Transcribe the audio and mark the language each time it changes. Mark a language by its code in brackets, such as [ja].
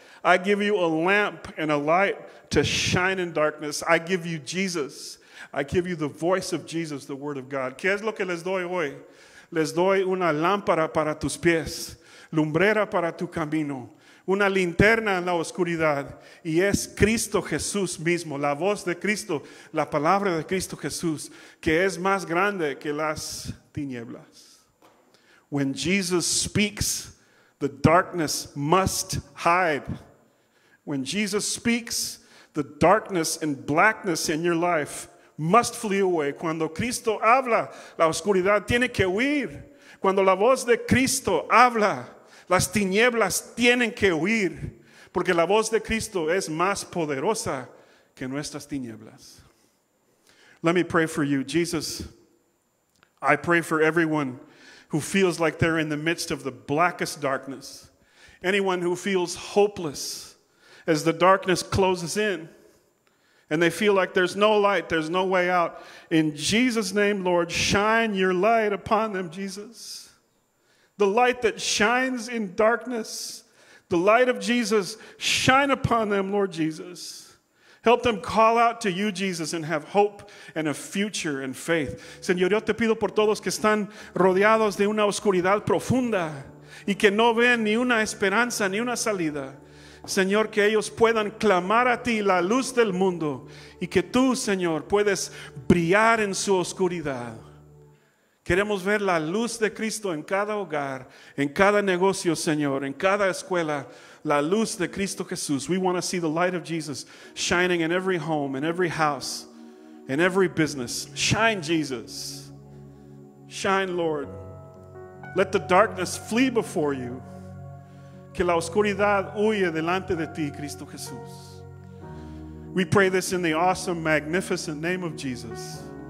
[en] I give you a lamp and a light to shine in darkness. I give you Jesus. I give you the voice of Jesus, the word of God. [es] ¿Qué es lo que les doy hoy? Les doy una lámpara para tus pies, lumbrera para tu camino, una linterna en la oscuridad, y es Cristo Jesús mismo, la voz de Cristo, la palabra de Cristo Jesús, que es más grande que las tinieblas. [en] When Jesus speaks, the darkness must hide. When Jesus speaks, the darkness and blackness in your life must flee away. [es] Cuando Cristo habla, la oscuridad tiene que huir. Cuando la voz de Cristo habla, las tinieblas tienen que huir, porque la voz de Cristo es más poderosa que nuestras tinieblas. [en] Let me pray for you. Jesus, I pray for everyone who feels like they're in the midst of the blackest darkness. Anyone who feels hopeless as the darkness closes in and they feel like there's no light, there's no way out. In Jesus' name, Lord, shine your light upon them, Jesus. The light that shines in darkness, the light of Jesus, shine upon them, Lord Jesus. Help them call out to you, Jesus, and have hope and a future and faith. [es] Señor, yo te pido por todos que están rodeados de una oscuridad profunda y que no ven ni una esperanza ni una salida. Señor, que ellos puedan clamar a ti, la luz del mundo, y que tú, Señor, puedes brillar en su oscuridad. Queremos ver la luz de Cristo en cada hogar, en cada negocio, Señor, en cada escuela, la luz de Cristo Jesús. [en] We want to see the light of Jesus shining in every home, in every house, in every business. Shine, Jesus. Shine, Lord. Let the darkness flee before you. [es] Que la oscuridad huya delante de ti, Cristo Jesús. [en] We pray this in the awesome, magnificent name of Jesus.